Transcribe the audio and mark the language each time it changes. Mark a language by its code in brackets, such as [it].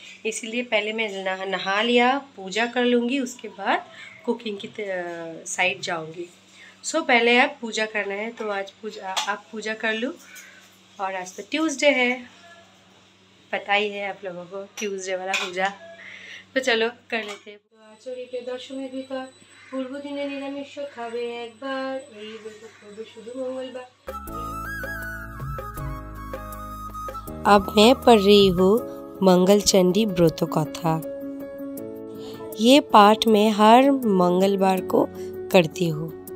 [hi] इसीलिए पहले मैं नहा लिया, पूजा कर लूँगी, उसके बाद कुकिंग की साइड जाऊँगी. सो पहले आप पूजा करना है तो आज आप पूजा कर लूँ. और आज तो ट्यूसडे है, पता ही है आप लोगों को ट्यूसडे वाला पूजा, तो चलो कर लेते हैं. [bn] চরিতে দশমীর ভিতর পূর্ব দিনে নিরামিষ খাবে একবার, এই বলতে করবে শুধু মঙ্গলবার. [hi] अब मैं पढ़ रही हूँ मंगल चंडी व्रत कथा. ये पाठ मैं हर मंगलवार को करती हूँ.